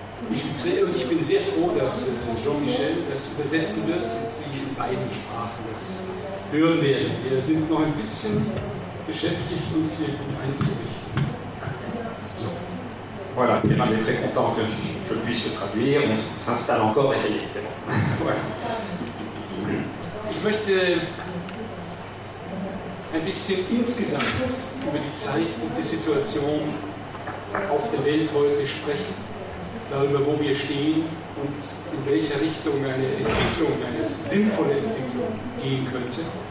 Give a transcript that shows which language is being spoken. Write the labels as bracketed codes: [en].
[de] Ich bin sehr froh, dass Jean-Michel das übersetzen wird und Sie in beiden Sprachen das hören werden. Wir sind noch ein bisschen beschäftigt, uns hier gut einzurichten. So. [fr] Voilà, Pierre est très content que je puisse le traduire. On s'installe encore, essayez, c'est bon. Voilà. [de] Ich möchte ein bisschen insgesamt über die Zeit und die Situation auf der Welt heute sprechen. Darüber, wo wir stehen und in welcher Richtung eine Entwicklung, eine sinnvolle Entwicklung gehen könnte.